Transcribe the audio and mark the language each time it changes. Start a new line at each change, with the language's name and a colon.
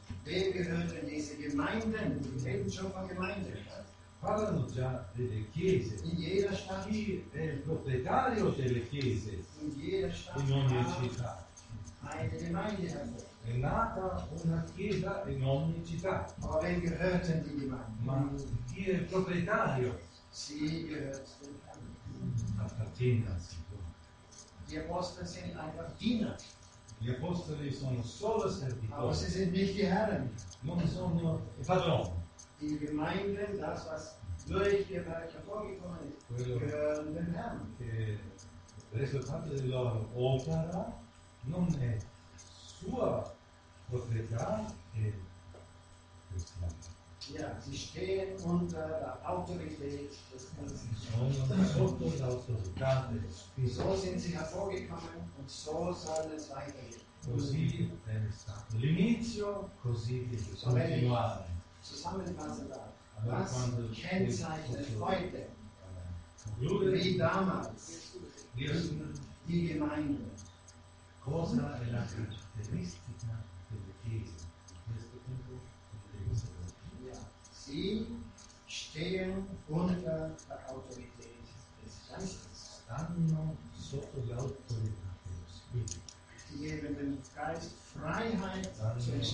German: Wem gehören diese Gemeinden? Wir reden schon von Gemeinden.
Italian: Parlano già delle chiese.
German: In jeder Stadt.
Italian: Chi è il proprietario delle chiese?
German: In jeder Stadt.
Italian: In ogni città.
German: Eine Gemeinde.
Italian: È nata una chiesa in ogni città.
German: Aber wem gehören die Gemeinden?
Italian: Ma chi è il proprietario?
German: sie gehört dem Herrn.
Italian: Gli apostoli sono
German: einfach Diener.
Italian: Gli apostoli sono solo servitori.
German: Aber sie sind nicht die Herren.
Italian: Non sono i padroni.
German: Die Gemeinde, das was durch die Werke hervorgekommen ist, gehören dem Herrn.
Italian: Che il risultato della loro opera non è sua proprietà, è cristiana.
German: Ja, sie stehen unter der Autorität des Herrn.
Italian: Sono sotto l'autorità del Spirito.
German: So sind sie hervorgekommen und so soll es weitergehen.
Italian: Così è stato l'inizio, così deve continuare.
German: Zusammenfassen da. Was kennzeichnet heute, wie damals, die Gemeinde?
Italian: Cosa è la caratteristica della Chiesa in questo tempo?
German: Sie stehen unter der Autorität des Geistes.
Italian: Stanno sotto l'autorità dello Spirito.
German: Sie geben dem Geist Freiheit zu